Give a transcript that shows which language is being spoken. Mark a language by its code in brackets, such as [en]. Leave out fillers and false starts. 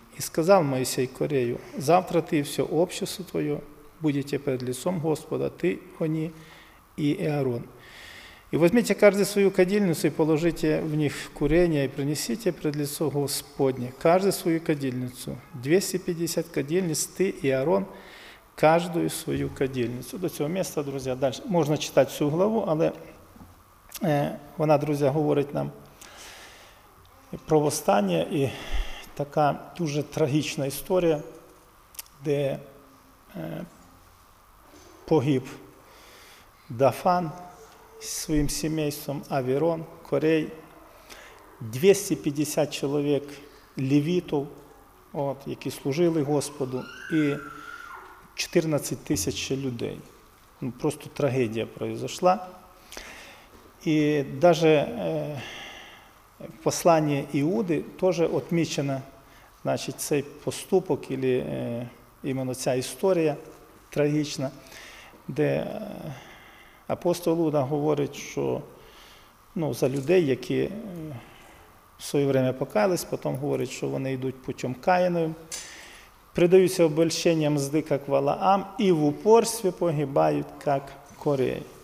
[ru] И сказал Моисей Корею: завтра ты и все общество твое будете перед лицом Господа, ты, они и Аарон. И возьмите каждый свою кадильницу и положите в них курение, и принесите пред лицо Господне каждую свою кадильницу. 250 кадильниц, ты и Аарон, каждую свою кадильницу. [uk] До цього [ru] места, друзья, дальше. [uk] Можна читати всю главу, але вона, [ru] друзья, [uk] говорить нам про восстання і така дуже трагічна історія, де погиб Дафан своїм сімейством, Аверон, Корей, 250 чоловік левітів, які служили Господу, і 14 тисяч людей. Ну, просто трагедія [ru] произошла. [uk] І навіть в посланні Іуди теж отмічено, значить, цей поступок, або іменно ця історія трагічна, де апостол Іуда говорить, що за людей, які в своє [ru] время [uk] покаялись, потім говорить, що вони йдуть путем каїновим, придаються обольщенням мзди, як Валаам, і в упорстві погибають, як Корей.